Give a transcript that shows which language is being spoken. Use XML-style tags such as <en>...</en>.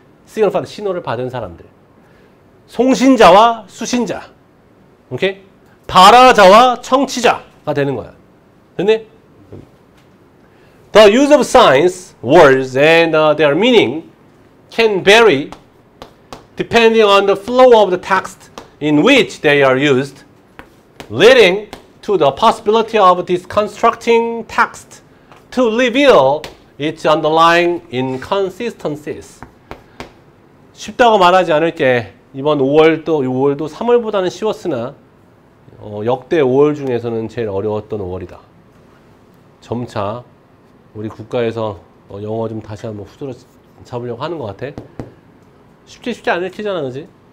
<ko>시그널 신호를 받은 사람들. 송신자와 수신자. 오케이? 발화자와 청취자가 되는 거야. 됐네?</ko> <en>The use of signs, words, and their meaning can vary depending on the flow of the text in which they are used, leading to the possibility of deconstructing text to reveal its underlying inconsistencies.</en> <ko>쉽다고 말하지 않을게. 이번 5월도 6월도 3월보다는 쉬웠으나 역대 5월 중에서는 제일 어려웠던 5월이다. 점차 우리 국가에서 영어 좀 다시 한번 후드러 잡으려고 하는 것 같아. 쉽지 않을 키잖아, 그지?</ko>